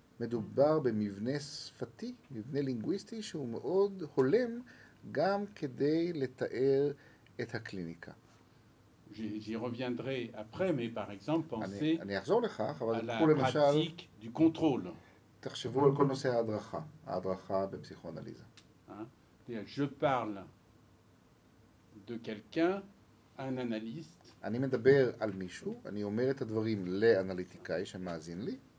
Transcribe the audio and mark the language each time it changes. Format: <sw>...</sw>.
<he>מדובר במבנה שפתי, מבנה לינגוויסטי, שהוא מאוד הולם גם כדי לתאר את הקליניקה.</he> <fr>J'y reviendrai après, mais par exemple, pensez à la pratique du contrôle.</fr> <he>תחשבו על כל נושא ההדרכה, ההדרכה בפסיכואנליזה.</he> <fr>Je parle de quelqu'un, un analyste.</fr> <he>אני מדבר על מישהו, אני אומר את הדברים לאנליטיקאי שמאזין לי.</he>